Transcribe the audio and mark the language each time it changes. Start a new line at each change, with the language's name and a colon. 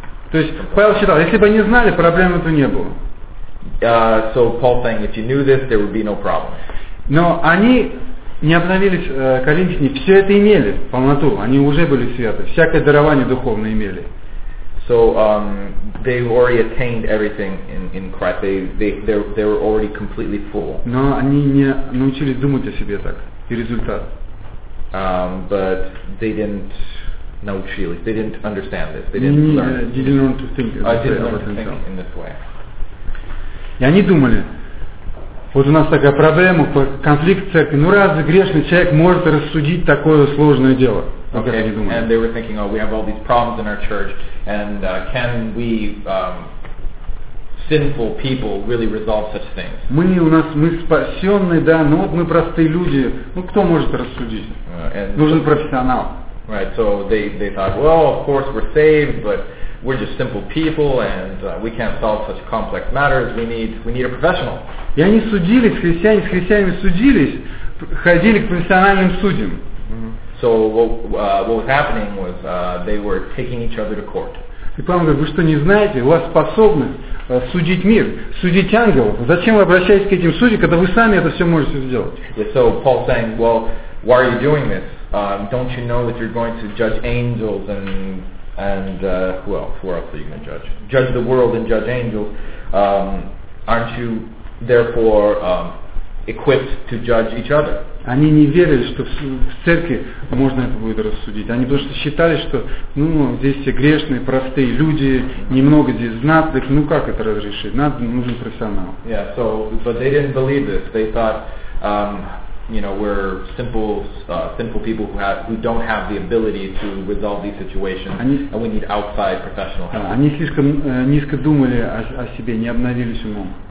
Russian: То есть Павел считал, если бы они знали, проблем этого не было.
English: So Paul saying, if you knew this, there would be no problem.
Russian: Но они не обновились, коринфяне, все это имели, полноту, они уже были святы, всякое дарование духовное имели.
English: So they already attained everything in Christ. They were already completely full.
Russian: Но они не научились думать о себе так, и результат.
English: But they didn't know truly. They didn't understand this. They didn't learn. They didn't learn to think. In this way.
Russian: И они думали, вот у нас такая проблема, конфликт в церкви. Ну разве грешный человек может рассудить такое сложное дело?
English: Okay. And they were thinking, oh, we have all these problems in our church, and can we sinful people really resolve such things?
Russian: Мы спасенные, да, но вот мы простые люди. Ну кто может рассудить? Нужен профессионал.
English: Right, so they thought, well, of course we're saved, but we're just simple people, and we can't solve such complex matters. We need a professional.
Russian: И они судились, христиане с христианами судились, ходили к профессиональным судьям.
English: So what was happening was they were taking each other to court.
Russian: И Павел говорит, вы что не знаете, у вас способность судить мир, судить ангелов. Зачем вы обращаетесь к этим судьям, когда вы сами это все можете сделать?
English: Yeah, so Paul saying, well, why are you doing this? Don't you know that you're going to judge angels and who else? Who else are you going to judge? Judge the world and judge angels. Aren't you therefore equipped to judge each other?
Russian: Они не верили, что в церкви можно это будет рассудить. Они просто считали, что ну, здесь все грешные, простые люди, немного здесь знатных, ну как это разрешить? Нужен профессионал.
English: Yeah, so, but they didn't believe this. They thought, you know, we're simple people who don't have the ability to resolve these situations, and we need outside professional help.
Russian: Они слишком низко думали о себе, не обновились умом.